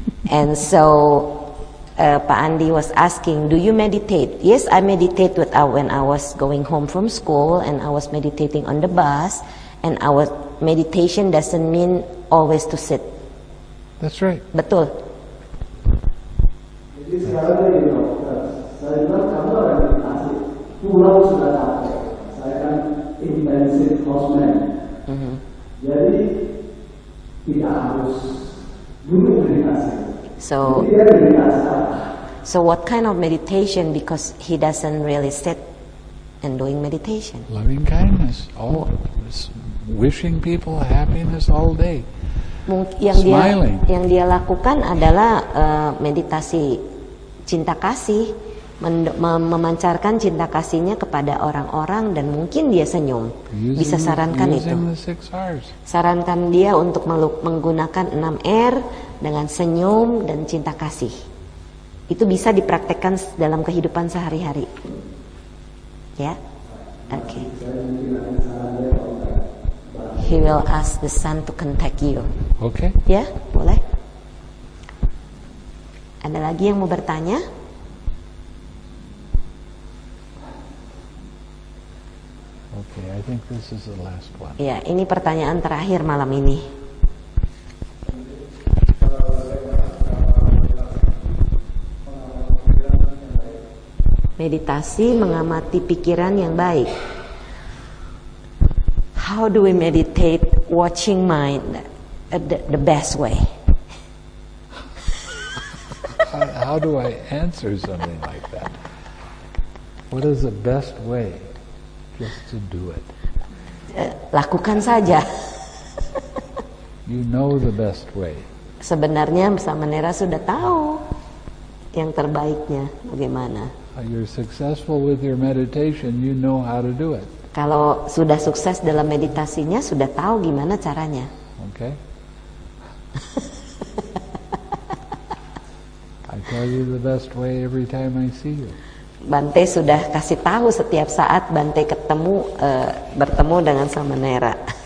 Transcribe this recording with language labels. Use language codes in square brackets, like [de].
[en] And so Pak Andi was asking, do you meditate? Yes, I meditate when I was going home from school and I was meditating on the bus, and our meditation doesn't mean always to sit. That's right. [id] Betul. Jadi sekarang ini dokter, saya bilang kamu ada meditasi, pulang sudah capek. Saya kan intensive postman. Jadi tidak harus dulu meditasi. [en] So. [id] Dia meditasi. [en] So what kind of meditation? Because he doesn't really sit and doing meditation. Loving kindness. Wishing people happiness all day. [id] Yang dia lakukan adalah meditasi cinta kasih, memancarkan cinta kasihnya kepada orang-orang, dan mungkin dia senyum. Bisa sarankan itu. Sarankan dia untuk menggunakan 6 R dengan senyum dan cinta kasih. Itu bisa dipraktekkan dalam kehidupan sehari-hari. Ya? [en] Yeah? [id] Oke. [en] Okay. He will ask the son to contact you. Okay. Yeah, [id] boleh. Ada lagi yang mau bertanya? [en] Okay, I think this is the last one. [id] Yeah, ini pertanyaan terakhir malam ini. Meditasi mengamati pikiran yang baik. [en] How do we meditate watching mind the best way? How do I answer something like that? What is the best way just to do it? [id] Lakukan saja. [en] You know the best way. [id] Sebenarnya Samanera sudah tahu yang terbaiknya bagaimana. [en] You're successful with your meditation, you know how to do it. [id] Kalau sudah sukses dalam meditasinya, sudah tahu gimana caranya. Oke. [en] Okay. I tell you the best way every time I see you. [id] Bante sudah kasih tahu setiap saat Bante ketemu bertemu dengan Sama Nera.